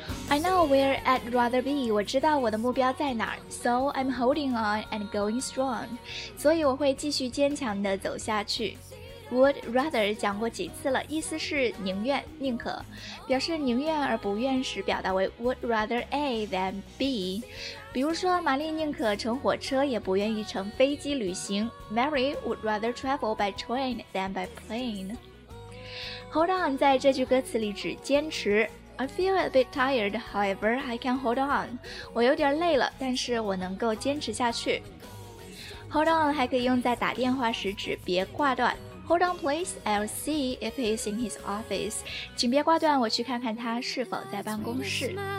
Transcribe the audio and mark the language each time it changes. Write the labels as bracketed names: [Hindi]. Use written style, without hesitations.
[English] I know where I'd rather be, [Chinese] 我知道我的目标在哪儿。 [English] So I'm holding on and going strong, [Chinese] 所以我会继续坚强地走下去。 Would rather 讲过几次了，意思是宁愿、宁可，表示宁愿而不愿时表达为 would rather A than B。比如说玛丽宁可乘火车也不愿意乘飞机旅行。 [English] Mary would rather travel by train than by plane. [Chinese] Hold on 在这句歌词里指坚持。 [English] I feel a bit tired, however, I can hold on. [Chinese] 我有点累了，但是我能够坚持下去。 [English] Hold on [Chinese] 还可以用在打电话时指别挂断。 [English] Hold on, please, I'll see if he's in his office. [Chinese] 请别挂断，我去看看他是否在办公室。